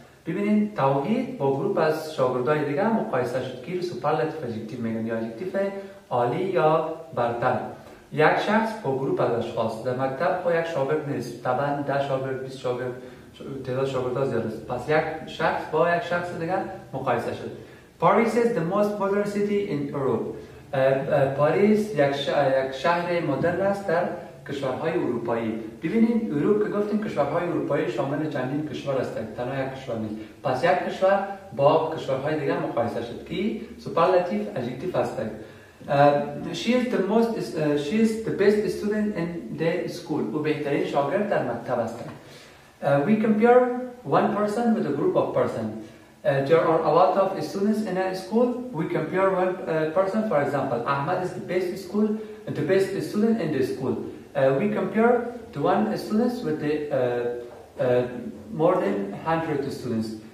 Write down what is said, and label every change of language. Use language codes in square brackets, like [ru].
[fa] ببینید توحید با گروپ از شاگردهای دیگر مقایسه شد که سوپرلتیف اجکتیف میگن یا اجکتیف عالی یا برتر. یک شخص با گروپ از اشخاص در مکتب با یک شاگرد نیست، طبعا 10 شاگرد 20 شاگرد تعداد شاگرد ها زیاد است، پس یک شخص با یک شخص دیگر مقایسه شد. [en] Paris is the most modern city in Europe. [fa] Paris یک شهر مدرن است در کشورهای اروپایی. ببینید اروپا که گفتیم کشورهای اروپایی شامل چندین کشور است، تنها یک کشور نیست. پس یک کشور با کشورهای دیگر مقایسه شد که سوپرلتیف اجکتیف است. [en] She is the best student in the school. [fa] او بهترین شاگرد در مکتب است. [en] We compare one person with a group of persons. There are a lot of students in a school. We compare one person, for example, Ahmad is the best student in the school. We compare the one students with the more than 100 students.